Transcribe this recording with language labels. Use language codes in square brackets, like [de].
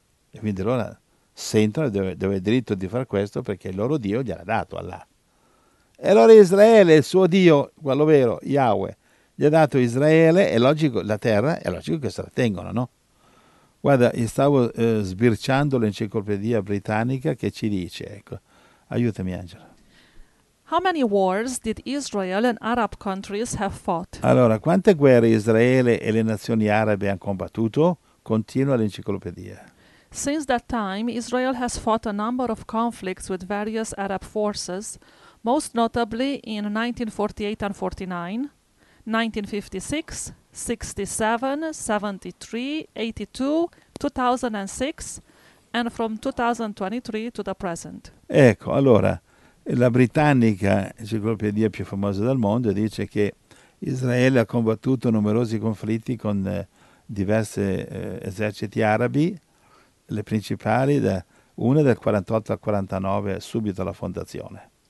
[it] E quindi loro sentono di avere il diritto di fare questo perché il loro Dio gliel'ha dato, Allah. E allora Israele, il suo Dio, quello vero, Yahweh, gli ha dato Israele, è logico, la terra, è logico che se la tengono, no? Guarda, io stavo sbirciando l'Enciclopedia Britannica che ci dice, ecco, aiutami Angela. [en] How many wars did Israel and Arab countries have fought? [it] Allora, quante guerre Israele e le nazioni arabe hanno combattuto? Continua l'enciclopedia. [en] Since that time, Israel has fought a number of conflicts with various Arab forces, most notably in 1948 and 49, 1956, 67, 73, 82, 2006, and from 2023 to the present. [it] Ecco, allora, la britannica, l'enciclopedia più famosa del mondo, dice che Israele ha combattuto numerosi conflitti con diversi eserciti arabi, le principali, una dal 48 al 49, subito alla fondazione.